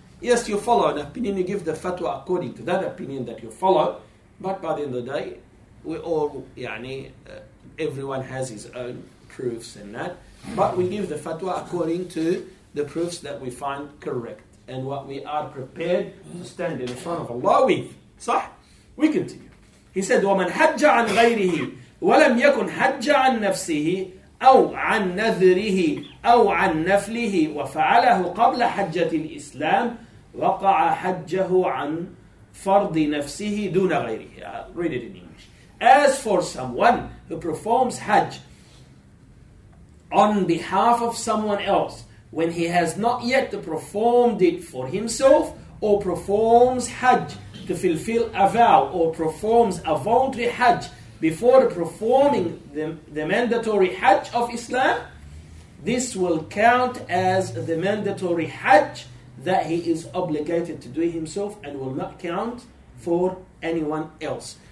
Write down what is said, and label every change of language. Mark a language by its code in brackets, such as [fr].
[en] Yes, you follow an opinion. You give the fatwa according to that opinion that you follow. But by the end of the day, we all, yani, everyone has his own proofs and that. But we give the fatwa according to the proofs that we find correct and what we are prepared to stand in front of Allah with. Sah? We continue. He said, [ar] وَمَنْ حَجَّ عَنْ غَيْرِهِ وَلَمْ يَكُنْ حَجَّ عَنْ نَفْسِهِ أو عن نذره أو عن نفله وفعله قبل حجة الإسلام وقع حجه عن فرض نفسه دون غيره. [en] I'll read it in English. As for someone who performs Hajj on behalf of someone else when he has not yet performed it for himself, or performs Hajj to fulfill a vow, or performs a voluntary Hajj before performing the mandatory Hajj of Islam, this will count as the mandatory Hajj that he is obligated to do himself and will not count for anyone else.